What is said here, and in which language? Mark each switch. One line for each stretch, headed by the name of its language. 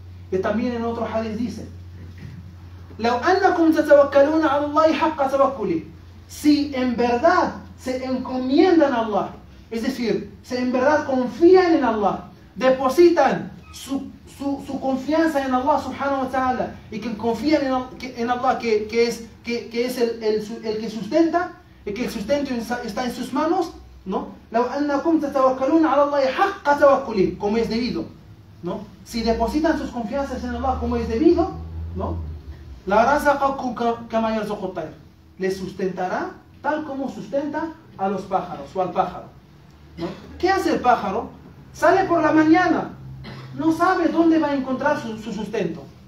Spanish: Y también en otro hadith dice:
Arabic: لو أنكم تتوكلون على الله حق توكله.
Spanish: Si en verdad se encomiendan a Allah. Es decir, si en verdad confían en Allah. Depositan su confianza en Allah subhanahu wa ta'ala y que confían en Allah que es el que sustenta y que el sustento está en sus manos, ¿no?
Arabic: لو أنكم تتوكلون على الله حق توكله
Spanish: como es debido, ¿no? Si depositan sus confianzas en Allah como es debido, ¿no?
Arabic: لا رزقكم كما يرزق الطير.
Spanish: le sustentará tal como sustenta a los pájaros o al pájaro. ¿No? ¿Qué hace el pájaro? Sale por la mañana, no sabe dónde va a encontrar su sustento.